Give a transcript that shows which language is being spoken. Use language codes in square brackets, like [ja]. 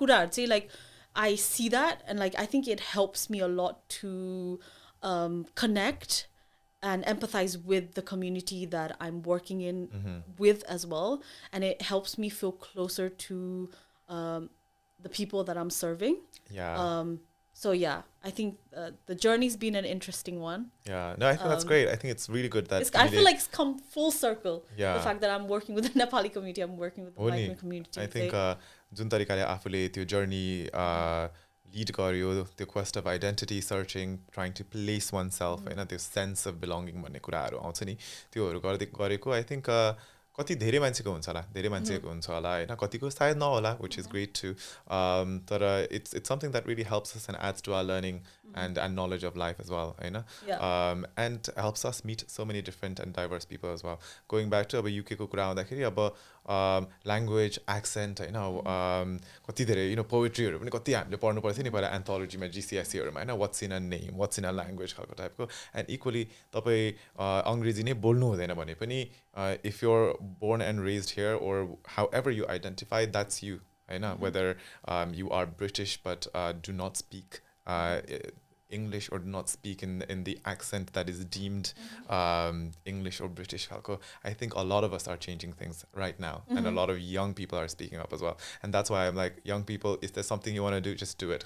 [en] See, like I see that, and like I think it helps me a lot to connect and empathize with the community that I'm working in with as well, and it helps me feel closer to the people that I'm serving. So I think the journey's been an interesting one. I think that's great. I think it's really good that I feel like it's come full circle. The fact that I'm working with the Nepali community, I'm working with the migrant community. I think जुन तरिकाले आफूले त्यो journey lead गर्यो त्यो quest of identity searching trying to place oneself होइन त्यो sense of belonging भन्ने कुराहरू आउँछ नि त्योहरू गर्दै गरेको आई थिङ्क [ne] कति धेरै मान्छेको हुन्छ होला [en] धेरै मान्छेको हुन्छ होला होइन कतिको सायद नहोला विच इज ग्रेट टु तर it's it's something that really helps us and aids to our learning and and knowledge of life as well होइन and helps us meet so many different and diverse people as well going back to [ne] अब युकेको कुरा आउँदाखेरि अब language accent होइन कति धेरै you know पोएट्रीहरू पनि कति हामीले पढ्नु पर्थ्यो नि पहिला एन्थोलोजीमा जिसिएससीहरूमा होइन [en] what's in a name what's in a language [ne] खालको टाइपको एन्ड इक्वली तपाईँ अङ्ग्रेजी नै बोल्नु हुँदैन भने पनि [en] If you're born and raised here or however you identify, that's you, right? Whether you are British but do not speak English or do not speak in the accent that is deemed English or British. I think a lot of us are changing things right now and a lot of young people are speaking up as well. And that's why I'm like, young people, if there's something you want to do, just do it.